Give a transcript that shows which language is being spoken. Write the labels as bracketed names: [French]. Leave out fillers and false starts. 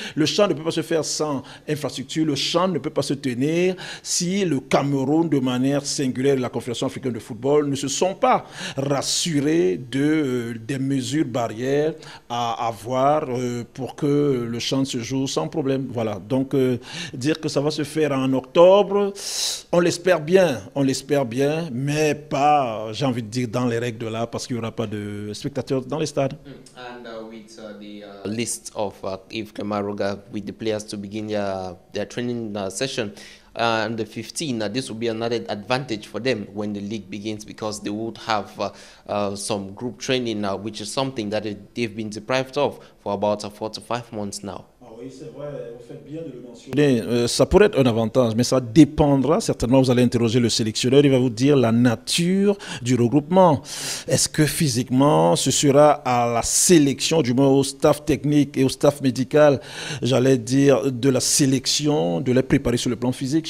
[French] Le CHAN ne peut pas se faire sans infrastructure. Le CHAN ne peut pas se tenir si le Cameroun, de manière singulière, la Confédération africaine de football, ne se sont pas rassurés des mesures barrières à avoir pour que le CHAN se joue sans problème. Voilà. Donc, dire que ça va se faire en octobre, on l'espère bien, on l'espère bien, mais pas, j'ai envie de dire, dans les règles de l'art, parce qu'il n'y aura pas de spectateurs dans les stades. [English] And with the list of Yves Kamaroga, with the players to begin their training session, and the 15, this will be another advantage for them when the league begins, because they would have some group training now, which is something that they've been deprived of for about 4 to 5 months now. Ah, [French] Oui, c'est vrai, vous faites bien de le mentionner. Ça pourrait être un avantage, mais ça dépendra. Certainement, vous allez interroger le sélectionneur, il va vous dire la nature du regroupement. Est-ce que physiquement, ce sera à la sélection, du moins au staff technique et au staff médical, j'allais dire, de la sélection, de les préparer sur le plan physique?